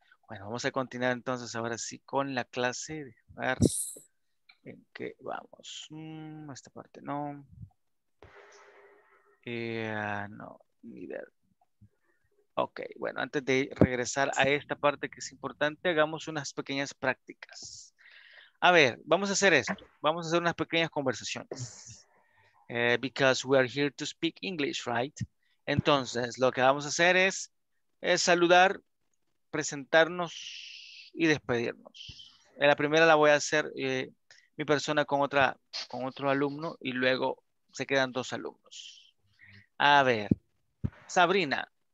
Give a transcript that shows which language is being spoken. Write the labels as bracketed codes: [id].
[es] Bueno, vamos a continuar entonces ahora sí con la clase. A ver en qué vamos. Esta parte no. [en] No, neither. [es] Ok, bueno, antes de regresar a esta parte que es importante, hagamos unas pequeñas prácticas. A ver, vamos a hacer esto. Vamos a hacer unas pequeñas conversaciones. [en] Because we are here to speak English, right? [es] Entonces, lo que vamos a hacer es saludar, presentarnos y despedirnos. En la primera la voy a hacer mi persona con otro alumno y luego se quedan dos alumnos. A ver, Sabrina.